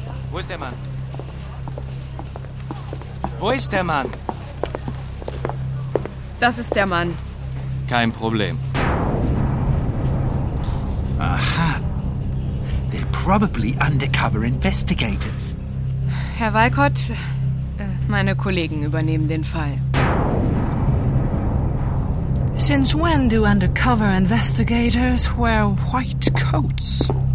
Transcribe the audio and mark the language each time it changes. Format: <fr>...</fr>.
<de>Wo ist der Mann? Wo ist der Mann? Das ist der Mann. Kein Problem. Aha.</de> <en>They're probably undercover investigators.</en> <de>Herr Walcott, meine Kollegen übernehmen den Fall.</de> <en>Since when do undercover investigators wear white coats?</en>